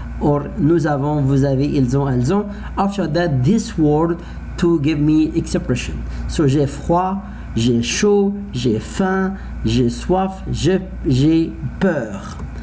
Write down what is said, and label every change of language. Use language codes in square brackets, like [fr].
[fr] or nous avons, vous avez, ils ont, elles ont. [en] After that, this word to give me expression. [fr] So j'ai froid, j'ai chaud, j'ai faim, j'ai soif, j'ai peur.